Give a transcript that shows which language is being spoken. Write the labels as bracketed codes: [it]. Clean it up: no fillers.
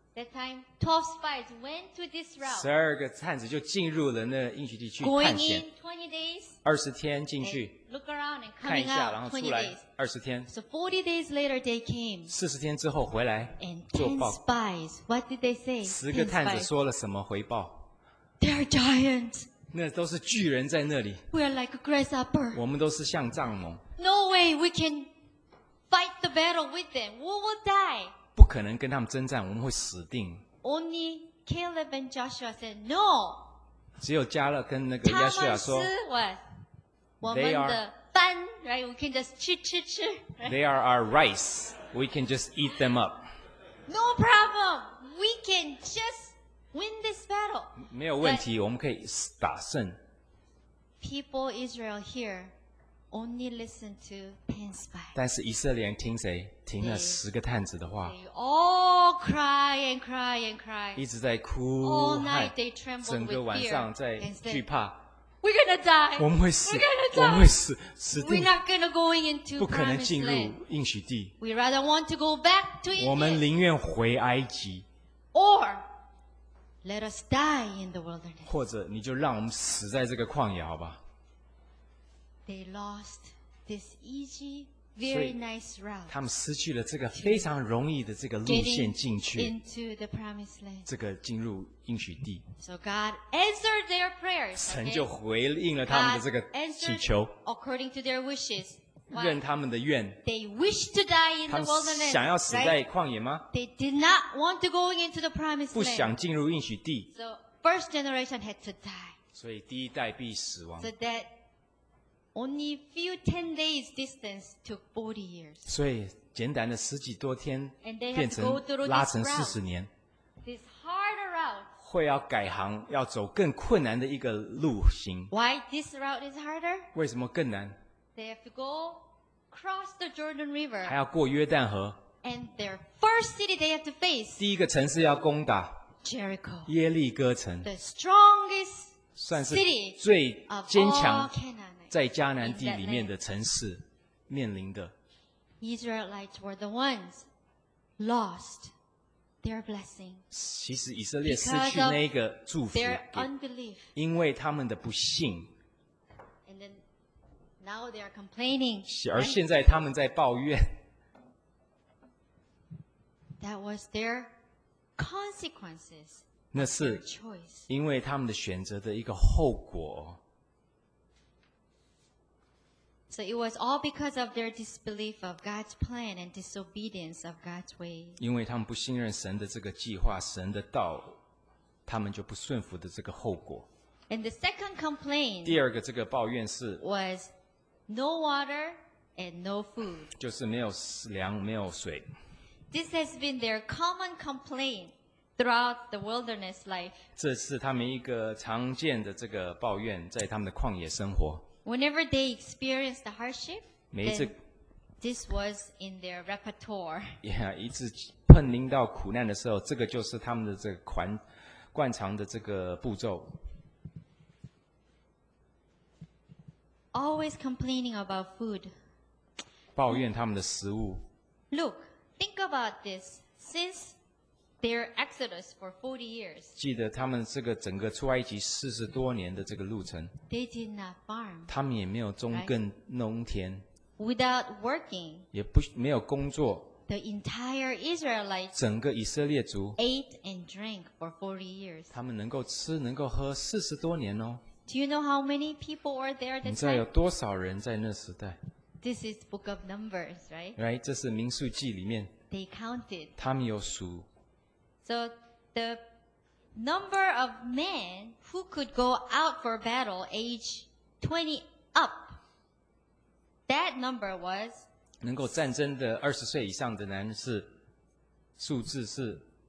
[en] That time, 12 spies went to this route. [zh] 十二个探子就进入了那应许地去探险。 [en] Going in 20 days. [zh] 二十天进去。 [en] Look around and coming out [zh] 看一下，然后出来。二十天。 [en] So 40 days later, they came. [zh] 四十天之后回来。 [en] And 10 spies. What did they say? [zh] 十个探子说了什么回报 [en] ？They're giants. [zh] 那都是巨人在那里。 [en] We are like a grasshopper. [zh] 我们都是像蚱蜢。 [en] No way we can fight the battle with them. We will die. [zh] 不可能跟他们征战，我们会死定。 [en] Only Caleb and Joshua said no. [zh] 只有加勒跟那个约书亚说。 [en] They are [zh] 我们的饭 [en] ，right? We can just [zh] 吃。 [en] They are our rice. We can just eat them up. No problem. we can just win this battle. [zh] 没有问题，我们可以打胜。 [en] People Israel here only listen to ten spies. [zh] 但是以色列人听谁？听了十个探子的话。 [en] They all cry and cry and cry. [zh] 一直在哭。 [en] All night they trembled with fear. [zh] 整个晚上在惧怕。 [en] We're gonna die. [zh] 我们会死。 [en] We're gonna die. [zh] 我们会死，死定。 [en] We're not gonna go into promised land. [zh] 不可能进入应许地。 [en] We rather want to go back to Egypt. [zh] 我们宁愿回埃及。 [en] Or let us die in the wilderness. [zh] 或者你就让我们死在这个旷野，好吧？ [en] They lost this easy, very nice route. [zh] 他们失去了这个非常容易的这个路线进去。 [en] Getting into the promised land. [zh] 这个进入应许地。 [en] So God answered their prayers. [zh] 神就回应了他们的这个祈求。 [en] According to their wishes. [zh] 任他们的愿。 [en] They wished to die in the wilderness. [zh] 他们想要死在旷野吗？ [en] They did not want to go into the promised land. [zh] 不想进入应许地。 [en] So first generation had to die. [zh] 所以第一代必死亡。 [en] So that only few 10 days distance took 40 years. [zh] 所以简单的十几多天，变成拉成40年。 [en] This hard route. [zh] 会要改行，要走更困难的一个路行。 [en] Why this route is harder? [zh] 为什么更难？ [en] They have to go cross the Jordan River. [zh] 还要过约旦河。 [en] And their first city they have to face. [zh] 第一个城市要攻打。 [en] Jericho. [zh] 耶利哥城。 [en] The strongest city. [zh] 算是最坚强。在迦南地里面的城市面临的 [en] Israelites were the ones lost their blessing. [zh] 其实以色列失去那个祝福 [en] their unbelief. [zh] 因为他们的不信 [en] And then now they are complaining. [zh] 而现在他们在抱怨 [en] That was their consequences. [zh] 那是因为他们的选择的一个后果。 [en] So it was all because of their disbelief of God's plan and disobedience of God's way. [zh] 因为他们不信任神的这个计划，神的道，他们就不顺服的这个后果。 [en] And the second complaint. [zh] 第二个这个抱怨是 [en] was no water and no food. [zh] 就是没有粮，没有水。 [en] This has been their common complaint throughout the wilderness life. [zh] 这是他们一个常见的这个抱怨，在他们的旷野生活。 [en] Whenever they experienced the hardship, then this was in their repertoire. [zh] Yeah, 一直碰临到苦难的时候，这个就是他们的这个惯常的这个步骤。 [en] Always complaining about food. [zh] 抱怨他们的食物。 [en] Look, think about this. Since their exodus for 40 years. [zh] 记得他们这个整个出埃及四十多年的这个路程。 [en] They did not farm. [zh] 他们也没有种耕农田。 [en] Without working. [zh] 也不没有工作。 [en] The entire Israelites. [zh] 整个以色列族。 [en] Ate and drank for 40 years. [zh] 他们能够吃能够喝四十多年哦。 [en] Do you know how many people were there at the time? [zh] 你知道有多少人在那时代？ [en] This is Book of Numbers, right? [zh] Right, 这是民数记里面。 [en] They counted. [zh] 他们有数。 [en] So the number of men who could go out for battle age 20 up, that number was [zh] 能够战争的20岁以上的男士数字是